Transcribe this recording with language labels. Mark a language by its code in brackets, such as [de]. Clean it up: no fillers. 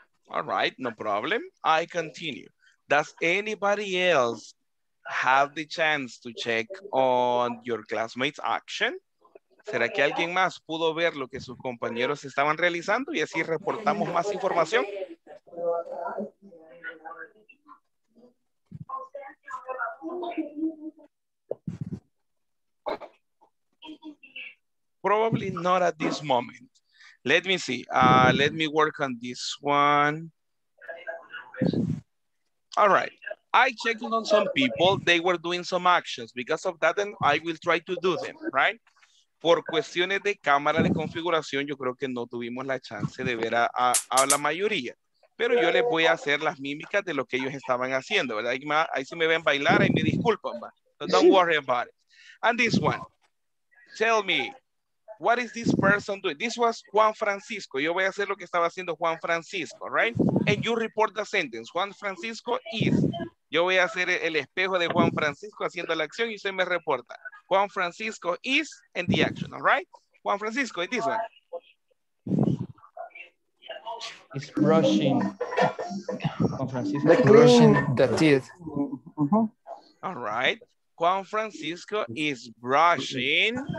[en] All right, no problem. I continue. Does anybody else have the chance to check on your classmates' action? [es] ¿Será que alguien más pudo ver lo que sus compañeros estaban realizando y así reportamos más información? [en] Probably not at this moment. Let me see. Let me work on this one. All right. I checked on some people. They were doing some actions. Because of that, then I will try to do them, right? [es] Por cuestiones de cámara de configuración, yo creo que no tuvimos la chance de ver a la mayoría. Pero yo les voy a hacer las mímicas de lo que ellos estaban haciendo, ¿verdad? Ahí si me ven bailar, ahí me disculpan. [en] So don't worry about it. And this one. Tell me. What is this person doing? This was Juan Francisco. [es] Yo voy a hacer lo que estaba haciendo Juan Francisco, [en] right? And you report the sentence. Juan Francisco is. [es] Yo voy a hacer el espejo de Juan Francisco haciendo la acción y usted me reporta. [en] Juan Francisco is in the action, all right? Juan Francisco, it is one. He's brushing. Juan Francisco. Like brushing the teeth. All right. Juan Francisco is brushing.